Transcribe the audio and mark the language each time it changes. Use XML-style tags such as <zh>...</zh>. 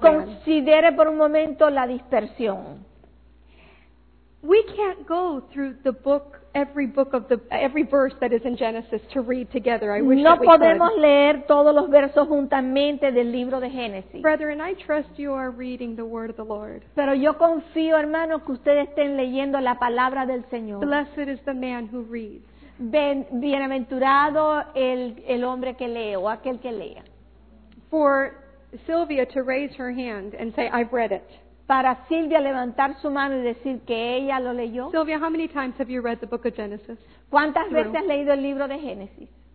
<es>Considere them. Por un momento la dispersión.</es> <en>We can't go through the book, every book of the, every verse that is in Genesis to read together. I wish</en> <es>no</es> <en>that we</en> <es>podemos</es> <en>could.</en> <es>Leer todos los versos juntamente del libro de Génesis.</es> <en>Brethren, I trust you are reading the word of the Lord.</en> <es>Pero yo confío, hermanos, que ustedes estén leyendo la palabra del Señor.</es> <en>Blessed is the man who reads.</en> <es>Bienaventurado el hombre que lee o aquel que lea.</es> <en>For Sylvia to raise her hand and say, I've read it.</en> <es>Para Silvia levantar su mano y decir que ella lo leyó.</es> <en>Silvia, how many times have you read the book of Genesis?</en> <es>¿Cuántas veces has leído el libro de Génesis?</es>